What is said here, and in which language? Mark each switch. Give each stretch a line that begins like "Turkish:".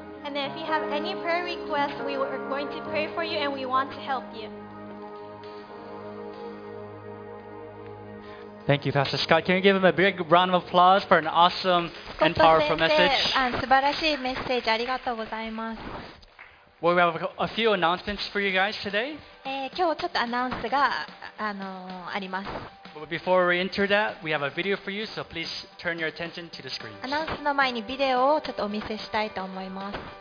English: And if you have any prayer requests, we are going to pray for you and we want to help you. Thank you, Pastor Scott. Can you give him a big round of applause for an awesome and powerful message?
Japanese: 素晴らしいメッセージありがとうございます。
English: Well, we have a few announcements for you guys today.
Japanese: 今日ちょっとアナウンスがあります。
English: But before we enter that, we have a video for you, so please turn your attention to the screen.
Japanese: アナウンスの前にビデオをちょっとお見せしたいと思います。